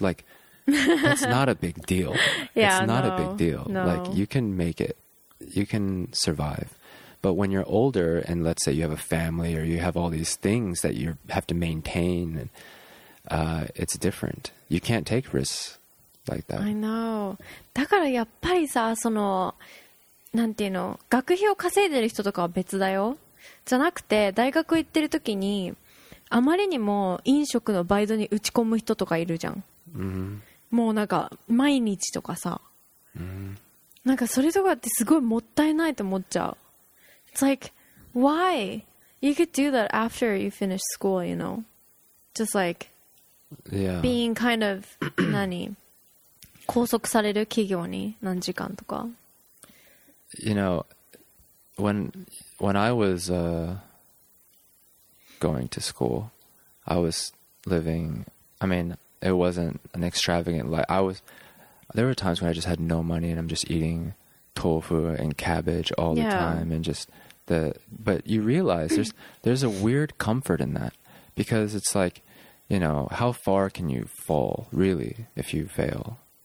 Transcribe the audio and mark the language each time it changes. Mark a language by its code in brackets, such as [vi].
[en] Like, that's not a big deal. Yeah, it's not no, a big deal. No. Like, you can make it. You can survive. But when you're older and let's say you have a family or you have all these things that you have to maintain, it's different. You can't take risks like that. I know. [ja] だからやっぱりさ、その、なんていうの、学費を稼いでる人とかは別だよ。じゃなくて、大学行ってる時に、あまりにも飲食のバイトに打ち込む人とかいるじゃん。 Mm-hmm. もうなんか、毎日とかさ。 Mm-hmm. なんかそれとかってすごいもったいないと思っちゃう。 [en] It's like, why? You could do that after you finish school, you know? Just like, yeah. Being kind of, 何? [ja] 拘束される企業に何時間とか。 [en] You know, when I was going to school, I was living, I mean, it wasn't an extravagant life. There were times when I just had no money and I'm just eating tofu and cabbage all the time and just but you realize there's a weird comfort in that because it's like, you know, how far can you fall really if you fail?